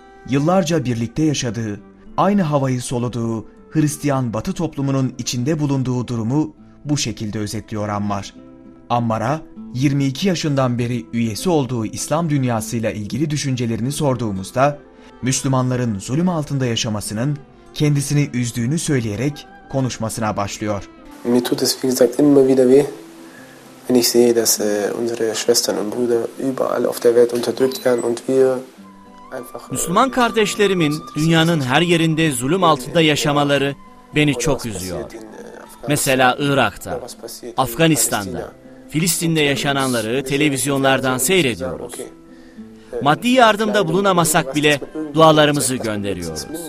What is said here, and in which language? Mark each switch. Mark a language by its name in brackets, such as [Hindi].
[Turkish] Yıllarca birlikte yaşadığı, aynı havayı soluduğu Hristiyan Batı toplumunun içinde bulunduğu durumu bu şekilde özetliyor Ammar. Ammar'a 22 yaşından beri üyesi olduğu İslam dünyasıyla ilgili düşüncelerini sorduğumuzda, Müslümanların zulüm altında yaşamasının kendisini üzdüğünü söyleyerek konuşmasına başlıyor. [German] Mir tut es, wie gesagt, immer wieder weh, wenn ich sehe, dass unsere Schwestern und Brüder überall auf der Welt unterdrückt werden und wir einfach [Turkish] Müslüman kardeşlerimin dünyanın her yerinde zulüm altında yaşamaları beni çok üzüyor. Mesela Irak'ta, Afganistan'da, Filistin'de yaşananları televizyonlardan seyrediyoruz. Maddi yardımda bulunamasak bile dualarımızı gönderiyoruz.